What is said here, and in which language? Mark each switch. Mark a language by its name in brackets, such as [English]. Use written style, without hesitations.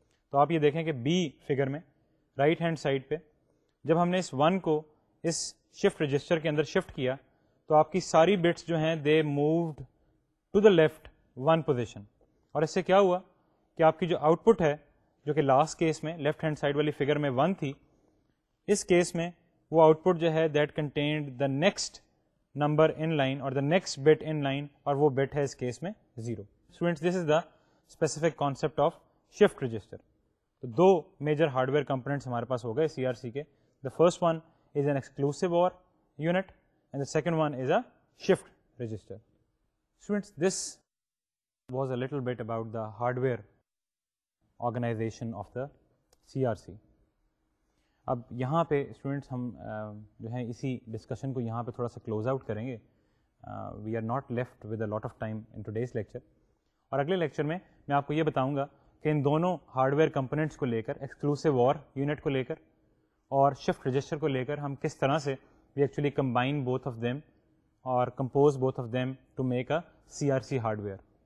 [Urdu] تو آپ یہ دیکھیں کہ بی فگر میں رائٹ ہینڈ سائڈ پہ جب ہم نے اس ون کو اس شفٹ رجسٹر کے اندر شفٹ کیا تو آپ کی ساری بٹس جو ہیں [English] They moved to the left one position. [Urdu] اور اس سے کیا ہوا کہ آپ کی جو آؤٹ پٹ ہے جو کہ لاسٹ کیس میں لیفٹ ہینڈ سائڈ والی فگر میں ون تھی اس کیس میں وہ آؤٹ پٹ جو ہے [English] that contained the next number in line [Urdu] اور [English] the next bit in line [Urdu] اور وہ بٹ ہے اس کیس میں zero. [English] Students this is the specific concept of shift register. [Urdu] تو دو میجر ہارڈ ویئر کمپوننٹس ہمارے پاس ہو گئے سی آر سی کے. [English] The first one is an exclusive or unit and the second one is a shift register. Students this was a little bit about the hardware organisation of the C R C. [Urdu] اب یہاں پہ students ہم جو ہیں اسی discussion کو یہاں پہ تھوڑا سا کلوز آؤٹ کریں گے. [English] We are not left with a lot of time in today's lecture. [Urdu] اور اگلے لیکچر میں میں آپ کو یہ بتاؤں گا کہ ان دونوں ہارڈ ویئر کمپوننٹس کو لے کر ایکسکلوسیو اور یونٹ کو لے کر اور شفٹ رجسٹر کو لے کر ہم کس طرح سے [English] we actually combine both of them [Urdu] اور [English] Compose both of them to make a C R C hardware.